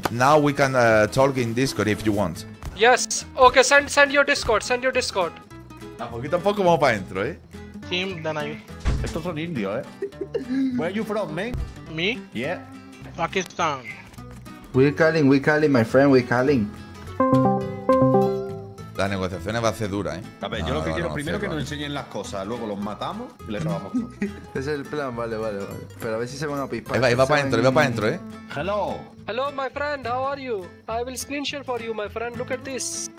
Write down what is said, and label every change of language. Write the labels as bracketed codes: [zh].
[en] Now we can talk in Discord if you want. Yes. Okay, send your Discord. Send your Discord. [es] A poquito a poco vamos para adentro, ¿eh? [en] Team Danai. [es] Estos son indios, ¿eh? [en] Where are you from, man? Me? Yeah. Pakistan. We're calling, my friend, we're calling. [es] La negociación va a ser dura, ¿eh? A ver, yo lo que quiero primero es que nos enseñen las cosas, luego los matamos y les robamos. Ese es el plan, vale. Pero a ver si se van a pispar. Ahí va para adentro, ahí va para adentro, ¿eh? [en] Hello. Hello, my friend, how are you? I will screen share for you, my friend, look at this.